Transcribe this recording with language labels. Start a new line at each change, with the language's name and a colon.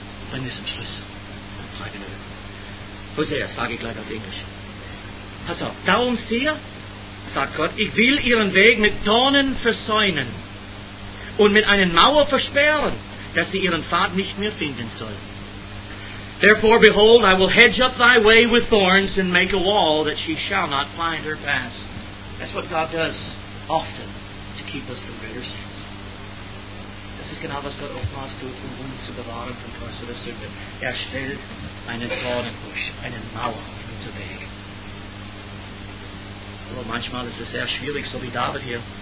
German: Bring es zum Schluss. Hosea, sage ich gleich auf Englisch. Pass auf, darum sehe, sagt Gott, ich will ihren Weg mit Dornen versäumen und mit einer Mauer versperren, dass sie ihren Pfad nicht mehr finden sollen.
English: Therefore, behold, I will hedge up thy way with thorns and make a wall that she shall not find her pass. That's what God does often to keep us from greater sins.
German: Das ist genau, was Gott oftmals tut, um uns zu bewahren von größerer Sünde. Er stellt einen Dornenbusch, eine Mauer auf unseren Weg. Aber manchmal ist es sehr schwierig, so wie David hier.